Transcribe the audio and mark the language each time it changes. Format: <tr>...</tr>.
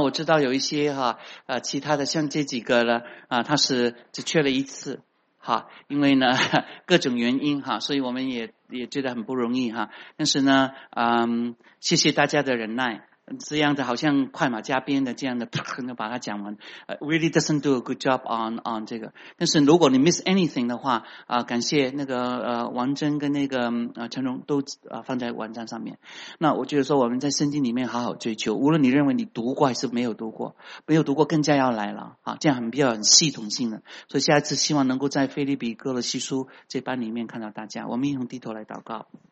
<zh>我知道有一些哈，其他的像这几个呢，他是只缺了一次，哈，因为呢各种原因哈，所以我们也觉得很不容易哈。但是呢，嗯，谢谢大家的忍耐，这样子好像快马加鞭的这样的，能够把它讲完。</zh> <en>Really doesn't do a good job on 这个。</en> <zh>但是如果你 miss anything 的话，感谢那个王真跟那个陈荣都放在网站上面。那我觉得说我们在圣经里面好好追求，无论你认为你读过还是没有读过，没有读过更加要来了啊，这样很比较很系统性的。所以下一次希望能够在腓立比哥罗西书这班里面看到大家，我们一同低头来祷告。</zh>